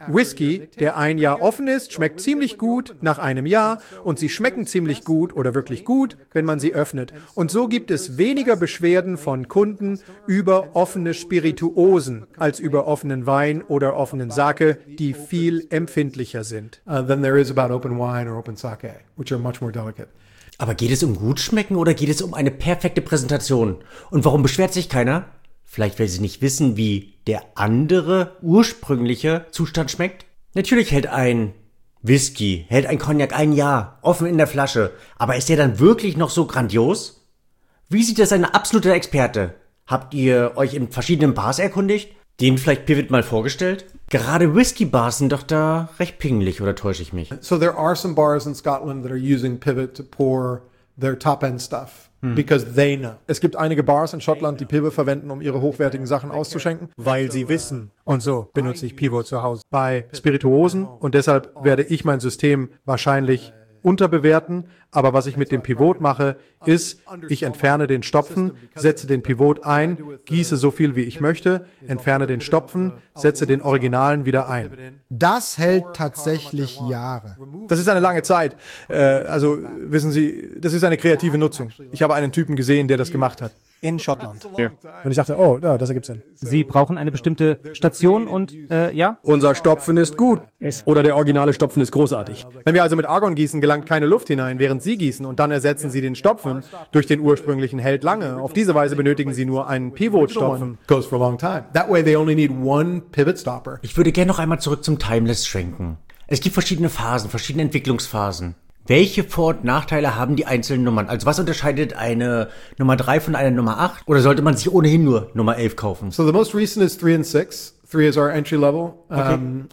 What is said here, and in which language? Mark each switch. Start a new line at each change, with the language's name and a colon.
German: Whisky, der ein Jahr offen ist, schmeckt ziemlich gut nach einem Jahr und sie schmecken ziemlich gut oder wirklich gut, wenn man sie öffnet. Und so gibt es weniger Beschwerden von Kunden über offene Spirituosen als über offenen Wein oder offenen Sake, die viel empfindlicher sind.
English: Than there is about open wine or open sake, which are much more delicate.
German: Aber geht es um gut schmecken oder geht es um eine perfekte Präsentation? Und warum beschwert sich keiner? Vielleicht, weil sie nicht wissen, wie der andere, ursprüngliche Zustand schmeckt? Natürlich hält ein Whisky, hält ein Cognac ein Jahr, offen in der Flasche. Aber ist der dann wirklich noch so grandios? Wie sieht das ein absoluter Experte? Habt ihr euch in verschiedenen Bars erkundigt? Den vielleicht Pivot mal vorgestellt? Gerade Whisky-Bars sind doch da recht pingelig, oder täusche ich mich?
English: So there are some bars in Scotland that are using Pivot to pour their top-end stuff. Because they know.
German: Es gibt einige Bars in Schottland, die Pivot verwenden, um ihre hochwertigen Sachen auszuschenken, weil sie wissen. Und so benutze ich Pivot zu Hause bei Spirituosen. Und deshalb werde ich mein System wahrscheinlich unterbewerten. Aber was ich mit dem Pivot mache, ist, ich entferne den Stopfen, setze den Pivot ein, gieße so viel, wie ich möchte, entferne den Stopfen, setze den Originalen wieder ein. Das hält tatsächlich Jahre. Das ist eine lange Zeit. Also, wissen Sie, das ist eine kreative Nutzung. Ich habe einen Typen gesehen, der das gemacht hat. In Schottland. Ja. Und ich dachte, oh, ja, das ergibt Sinn. Sie brauchen eine bestimmte Station und, ja? Unser Stopfen ist gut. Oder der originale Stopfen ist großartig. Wenn wir also mit Argon gießen, gelangt keine Luft hinein, während Sie gießen und dann ersetzen Sie den Stopfen durch den ursprünglichen Held lange. Auf diese Weise benötigen Sie nur einen Pivot-Stopfen.
English: Goes for a long time. That way they only need one pivot stopper.
German: Ich würde gerne noch einmal zurück zum Timeless schwenken. Es gibt verschiedene Phasen, verschiedene Entwicklungsphasen. Welche Vor- und Nachteile haben die einzelnen Nummern? Also was unterscheidet eine Nummer 3 von einer Nummer 8? Oder sollte man sich ohnehin nur Nummer 11 kaufen?
English: So the most recent is 3 and 6. 3 is our entry level. Okay.